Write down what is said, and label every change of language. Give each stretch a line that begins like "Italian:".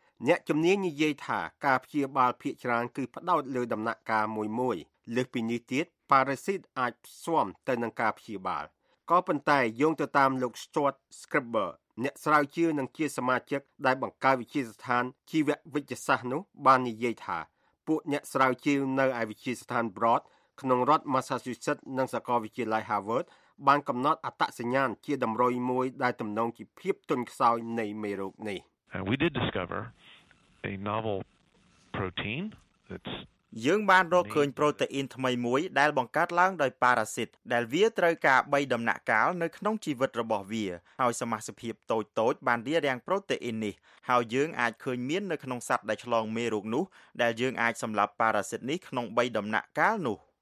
Khmer: អ្នកជំនាញនិយាយថាការព្យាបាលភាគច្រើនគឺផ្ដោតលើដំណាក់កាលមួយមួយលើសពីនេះទៀតប៉ារ៉ាស៊ីតអាចស្វមទៅនឹងការព្យាបាលក៏ប៉ុន្តែយោងទៅតាមលោក Stuart Scribber អ្នកស្រាវជ្រាវនិងជាសមាជិកដែលបង្កើតវិទ្យាស្ថានជីវវិទ្យាសាស្ត្រនោះបាននិយាយថាពួកអ្នកស្រាវជ្រាវនៅឯវិទ្យាស្ថាន Broad ក្នុងរដ្ឋ Massachusetts និងសាកលវិទ្យាល័យ Harvard បានកំណត់អត្តសញ្ញាណជាតម្រុយមួយដែលទំនងជាភាពទន់ខ្សោយនៃមេរោគនេះ
English: We did discover a novel protein that's
Khmer: យើងបានរកឃើញប្រូតេអ៊ីនថ្មីមួយដែលបង្កើតឡើងដោយប៉ារ៉ាស៊ីតដែលវាត្រូវការ3ដំណាក់កាលនៅក្នុងជីវិតរបស់វាហើយសមាសភាពតូចៗបានរារាំងប្រូតេអ៊ីននេះហើយយើងអាចឃើញមាននៅក្នុងសត្វដែលឆ្លងមេរោគនោះដែលយើងអាចសម្លាប់ប៉ារ៉ាស៊ីតនេះក្នុង3ដំណាក់កាលនោះ